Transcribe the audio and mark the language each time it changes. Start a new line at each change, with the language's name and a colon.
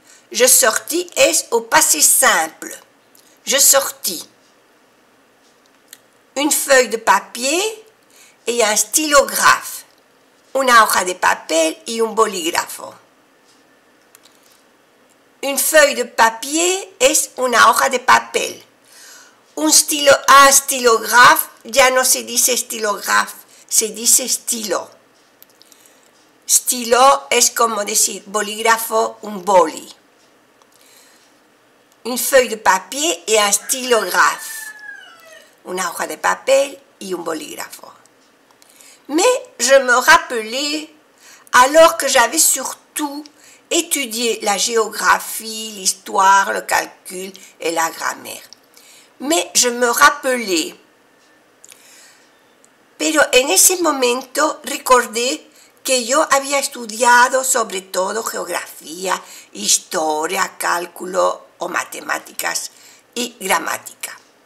French: Je sortis es au passé simple. Je sortis. Une feuille de papier et un stylographe.
Spanish: Una hoja de papel y un bolígrafo.
French: Une feuille de papier
Spanish: es una hoja de papel. Un stylographe, ya no se dice stylographe, se dice stylo. Stylo es como decir bolígrafo, un boli.
French: Une feuille de papier et un stylographe.
Spanish: Una hoja de papel y un bolígrafo.
French: Mais je me rappelais, alors que j'avais surtout étudié la géographie, l'histoire, le calcul et la grammaire. Mais je me rappelais.
Spanish: Pero en ese momento recordé que yo había estudiado sobre todo geografía, historia, cálculo o matemáticas y gramática.